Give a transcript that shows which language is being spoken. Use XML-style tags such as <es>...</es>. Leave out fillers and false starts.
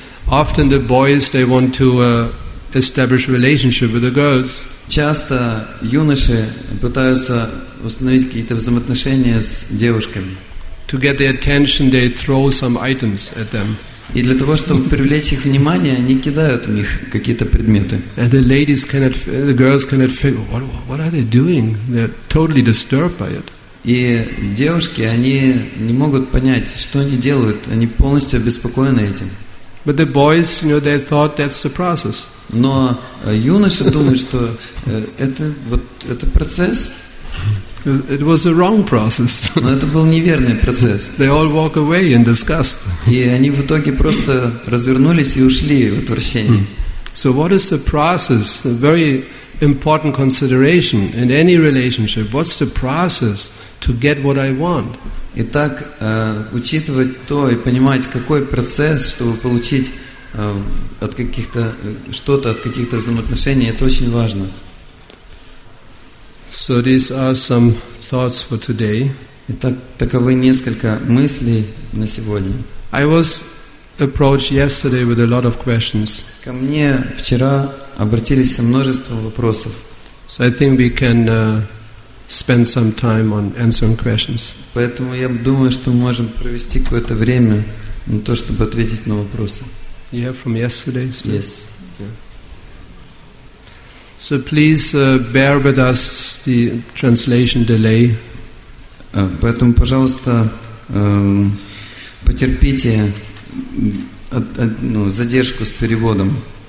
<en>Often the boys, they want to establish relationship with the girls.</en> <ru>Часто юноши пытаются установить какие-то взаимоотношения с девушками.</ru> <en>To get their attention, they throw some items at them.</en> <ru>И для того, чтобы привлечь их внимание, они кидают в них какие-то предметы.</ru> <en>And the ladies cannot, the girls cannot figure, what are they doing? They're totally disturbed by it.</en> <ru>И девушки, они не могут понять, что они делают. Они полностью обеспокоены этим.</ru> <en>But the boys, you know, they thought that's the process.</en> <ru>Но юноши думают, что это вот это процесс.</ru> <en>It was a wrong process.</en> <ru>Но это был неверный процесс.</ru> <en>They all walk away in disgust.</en> <ru>И они в итоге просто развернулись и ушли в отвращении.</ru> <en>So what is the process? A very important consideration in any relationship. What's the process to get what I want?</en> <ru>Итак, учитывать то и понимать, какой процесс, чтобы получить от каких-то что-то, от каких-то взаимоотношений, это очень важно.</ru> <en>So these are some thoughts for today.</en> <ru>Итак, таковы несколько мыслей на сегодня.</ru> <en>I was approached yesterday with a lot of questions.</en> <ru>Ко мне вчера обратились со множеством вопросов.</ru> <en>So I think we can spend some time on answering questions.</en> <ru>Поэтому я думаю, что мы можем провести какое-то время на то, чтобы ответить на вопросы.</ru> <en>Yeah, from yesterday. Still? Yes. Yeah. So please bear with us the translation delay.</en> <ru>Поэтому, пожалуйста, потерпите задержку с переводом.</ru>